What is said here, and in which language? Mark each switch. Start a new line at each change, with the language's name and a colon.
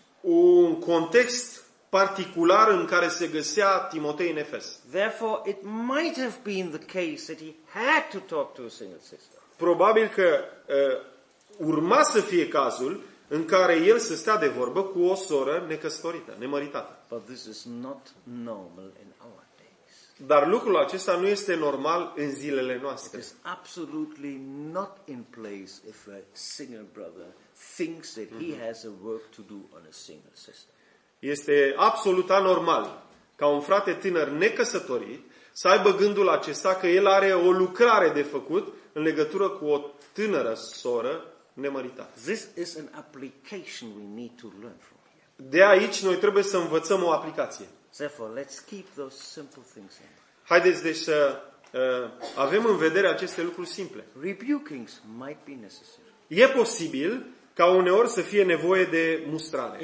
Romanian: Un context particular în care se găsea Timotei în Efes.
English: Therefore it might have been the case that he had to talk to a single sister.
Romanian: Probabil că urma să fie cazul în care el să stea de vorbă cu o soră necăsătorită, nemăritată.
English: But this is not normal in our days.
Romanian: Dar lucrul acesta nu este normal în zilele noastre.
English: It is absolutely not in place if a single brother thinks that he has a work to do on a single sister.
Romanian: Este absolut anormal ca un frate tânăr necăsătorit să aibă gândul acesta că el are o lucrare de făcut în legătură cu o tânără soră nemăritată.
English: This is an application we need to learn from here.
Romanian: De aici noi trebuie să învățăm o aplicație.
English: Therefore, let's keep those simple things in.
Romanian: Haideți deci să avem în vedere aceste lucruri simple.
English: Rebukings might be necessary.
Romanian: E posibil ca uneori să fie nevoie de mustrare.